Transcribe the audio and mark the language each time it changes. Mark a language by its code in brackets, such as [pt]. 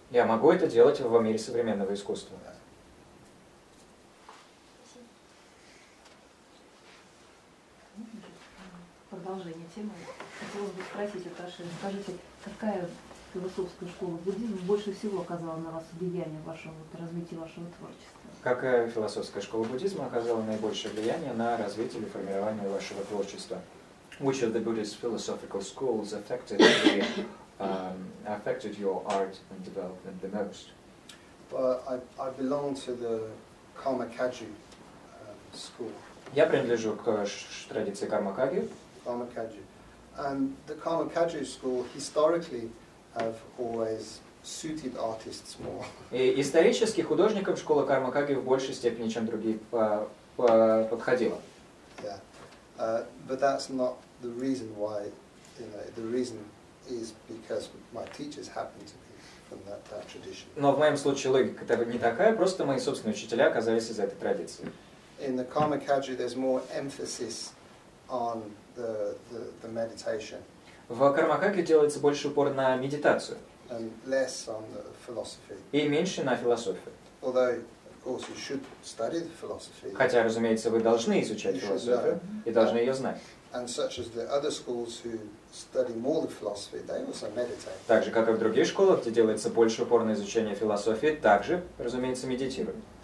[ru] Я могу это делать в мире современного искусства. [en] Yeah. [ru] Продолжение темы. Хотелось бы спросить, Таша, скажите, какая философская школа буддизма больше всего оказала на вас влияние в вашем развитии вашего творчества? Какая философская школа буддизма оказала наибольшее влияние на развитие или формирование вашего творчества? [en] Which of the Buddhist philosophical schools affected your art and development the most? But I belong to the Karmakaji school. [ru] Я принадлежу к традиции Кармакаги. [en] Karmakaji. And the Karmakaji school historically have always suited artists more. [ru] И исторически художникам школа Кармакаги в большей степени, чем другие, подходила. [en] Yeah. But that's not the reason why, you know, the reason is because my teachers happen to be from that tradition. [ru] Но в моем случае логика это не такая, просто мои собственные учителя оказались из этой традиции. [en] In the Karmakaji there's more emphasis on the meditation. [ru] В Кармакаге делается больше упор на медитацию. [en] And less on the philosophy. [ru] И меньше на философию. [en] Although, of also should study the philosophy. [ru] Хотя, разумеется, вы должны изучать философию и должны ее знать. [en] And such as the other schools who study more the philosophy, they also meditate. [ru] Также, как и в других школах, где делается больше упор на изучение философии, также, разумеется, медитируют.